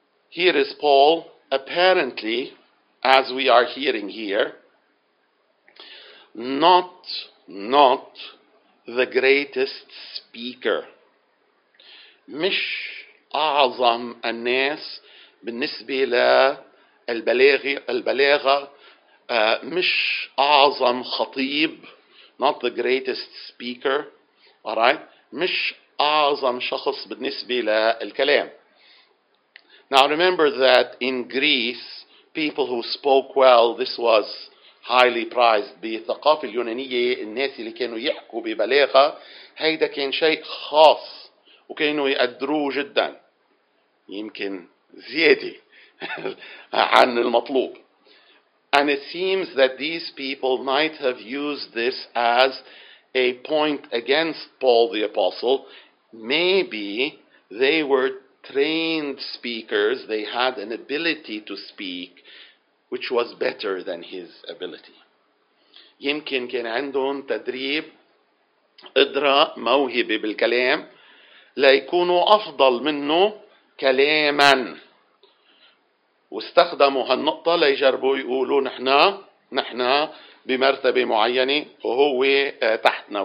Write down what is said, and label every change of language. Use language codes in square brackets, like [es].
[en] Here is Paul, apparently, as we are hearing here, not the greatest speaker. [ar] مش أعظم الناس بالنسبة للبلاغة. مش أعظم خطيب, [en] not the greatest speaker, alright? [ar] مش أعظم شخص بالنسبة للكلام. [en] Now remember that in Greece, people who spoke well, this was highly prized. [ar] بالثقافة اليونانية, الناس اللي كانوا يحكوا ببلاغة, هيدا كان شيء خاص, وكانوا يقدروه جدا, يمكن زيادة عن المطلوب. [en] And it seems that these people might have used this as a point against Paul the Apostle. Maybe they were trained speakers. They had an ability to speak which was better than his ability. [ar] يمكن كان عندهم تدريب قدرة موهبة بالكلام ليكونوا أفضل منه كلاماً. واستخدموا هالنقطة ليجربوا يقولوا نحنا بمرتبة معينة وهو تحتنا.